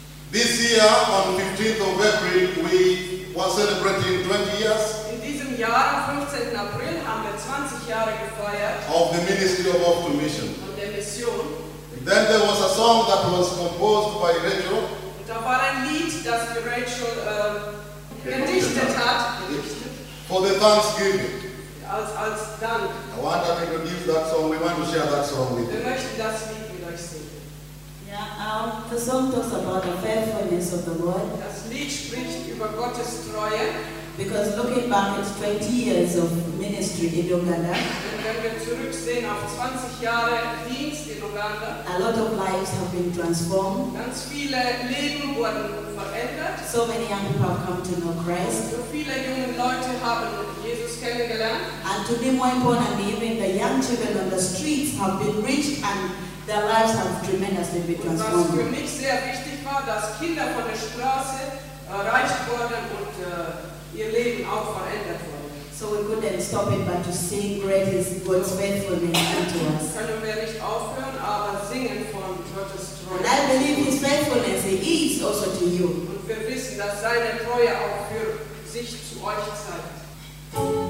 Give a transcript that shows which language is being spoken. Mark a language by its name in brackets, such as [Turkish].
[English] This year, on the 15th of April, we were celebrating 20 years. [German] Am 15. April haben wir 20 Jahre gefeiert. [English] Of the Ministry of Open Mission. [German] Und der Mission. [English] And then there was a song that was composed by Rachel. [German] Und da war ein Lied, das die Rachel gedichtet hat. [English] For the Thanksgiving. [German] Als Dank. [English] I want to introduce that song. We want to share that song with you. [German] Wir möchten das Lied mit euch singen. [English] Yeah, the song talks about the faithfulness of the Lord. [German] Das Lied spricht über Gottes Treue. [English] Because looking back at 20 years of ministry in Uganda, a lot of lives have been transformed. [German] Ganz viele Leben wurden verändert. [English] So many young people have come to know Christ. [German] So viele junge Leute haben Jesus kennengelernt. [English] And to be more importantly, even the young children on the streets have been reached and their lives have tremendously been transformed. [German] Was für mich sehr wichtig war, dass Kinder von der Straße erreicht wurden und ihr Leben auch verändert worden. [English] So we couldn't stop it, but to sing great is God's faithfulness unto us. [German] Können wir nicht aufhören, aber singen von Gottes Treue. [English] And I believe His faithfulness is also to you. [German] Und wir wissen, dass seine Treue auch für sich zu euch zeigt.